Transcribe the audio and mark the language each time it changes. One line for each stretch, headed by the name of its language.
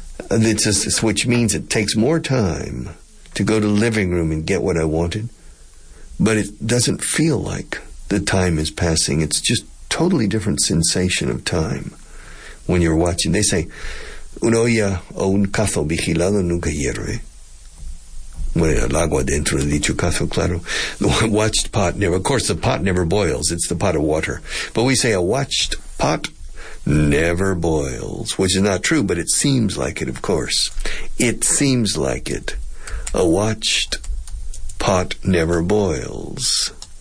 English: which means it takes more time to go to the living room and get what I wanted. But it doesn't feel like the time is passing. It's just totally different sensation of time when you're watching. They say,
Spanish: una olla o un cazo vigilado nunca hierve. Bueno, el agua dentro de dicho cazo, claro.
English: The watched pot never, of course, the pot never boils. It's the pot of water. But we say a watched pot never boils, which is not true, but it seems like it, of course. It seems like it. A watched pot never boils.